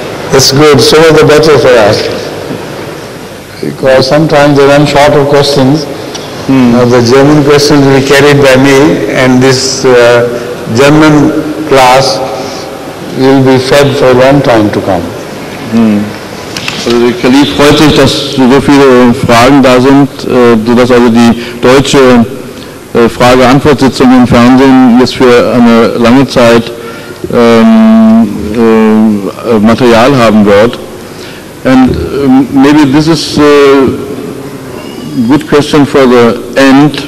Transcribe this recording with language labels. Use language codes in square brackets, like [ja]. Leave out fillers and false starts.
[en] That's good. So the better for us. Because sometimes they run short of questions. Now the German questions will be carried by me, and this German class will be fed for a long time to come. [de] Also der Kalif freut sich, dass so viele Fragen da sind, sodass also die deutsche Frage-Antwort-Sitzung im Fernsehen jetzt für eine lange Zeit Material haben wird. [en] And maybe this is a good question for the end.